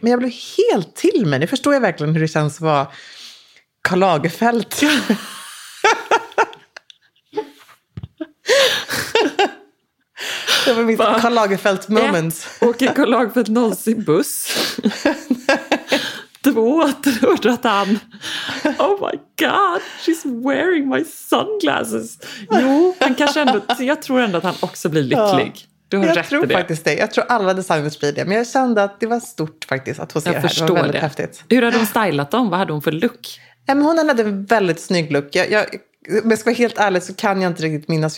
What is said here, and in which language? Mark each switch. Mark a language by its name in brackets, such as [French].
[Swedish] Men jag blev helt till mig. Nu förstår jag verkligen hur det känns att vara Karl Lagerfeldt. Det var mitt Karl Lagerfeldt moment. Åker Karl Lagerfeldt någonsin buss? Två, tror du att han... [English] Oh my god, she's wearing my sunglasses. [Swedish] Jo, men kanske ändå, jag tror ändå att han också blir lycklig. Ja. Jag tror faktiskt det. Jag tror alla designers blir det. Men jag kände att det var stort faktiskt att få se det här. Det var väldigt häftigt. Hur hade hon stylat dem? Vad hade hon för look? Hon hade en väldigt snygg look. Om jag ska vara helt ärlig så kan jag inte riktigt minnas.